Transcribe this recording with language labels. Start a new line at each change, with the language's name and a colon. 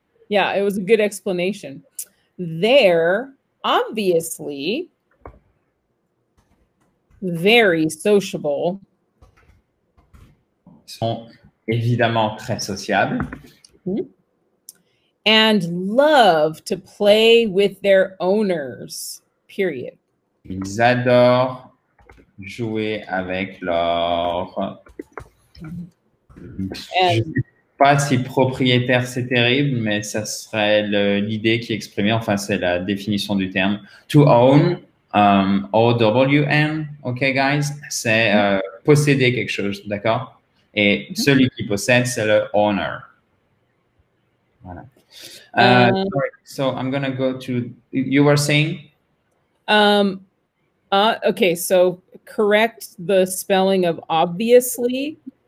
English: It was a good explanation. There, obviously, very sociable.
French: Ils sont évidemment très sociables. Mm-hmm.
English: And love to play with their owners, period.
French: Ils adorent jouer avec leur... And, je ne sais pas si propriétaire c'est terrible, mais ça serait l'idée qui est exprimée. Enfin, c'est la définition du terme.
English: To own, O-W-N, OK, guys,
French: c'est posséder quelque chose, d'accord? Et celui qui possède, c'est le owner. Voilà.
English: Sorry, so I'm going to go to. You were saying? Okay, so correct the spelling of obviously.